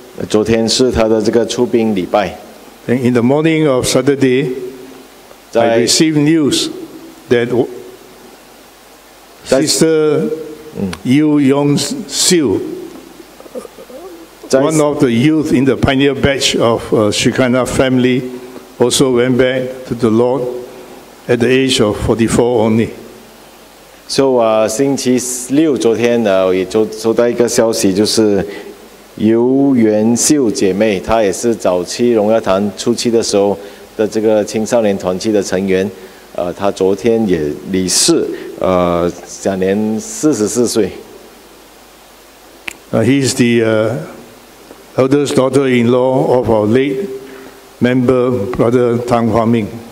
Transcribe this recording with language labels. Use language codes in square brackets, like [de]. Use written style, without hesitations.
[zh] 昨天是他的这个出殡礼拜。 [en] And in the morning of Saturday, I received news that Sister Yu Yong Siu, one of the youth in the pioneer batch of Shekinah family, also went back to the Lord at the age of 44 only. [zh] So, 星期六昨天也收到一个消息，就是游元秀姐妹，她也是早期荣耀堂初期的时候的这个青少年团契的成员，她昨天也离世，享年44岁。 [en] He is the eldest daughter-in-law of our late member, Brother Tang Hua Ming.